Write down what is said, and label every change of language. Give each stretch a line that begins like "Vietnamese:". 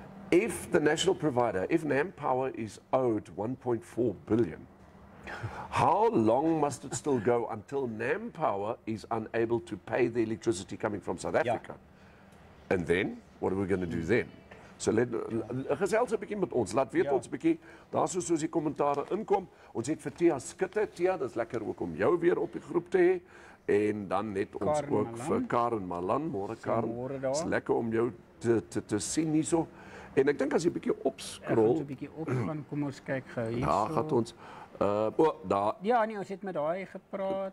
English: If the national provider, if NamPower is owed 1.4 billion, how long must it still go until NamPower is unable to pay the electricity coming from South Africa? And then, what are we going to do then?
Afrikaans: So let gesels 'n bietjie met ons. Laat weet ons 'n bietjie. Daarso soos die kommentare inkom. Ons het vir Tia Skutte. Tia, dis lekker ook om jou weer op die groep te hê. En dan net ons Karen ook Malan. Vir Karen Malan. Môre Karen. Môre daar. Dis lekker om jou te sien hierso. En ek dink as jy 'n bietjie opskrol. Ek gaan 'n bietjie op gaan. Kom ons kyk gou hierso. Daar gaan ons Ja, nee, ons het met daai gepraat.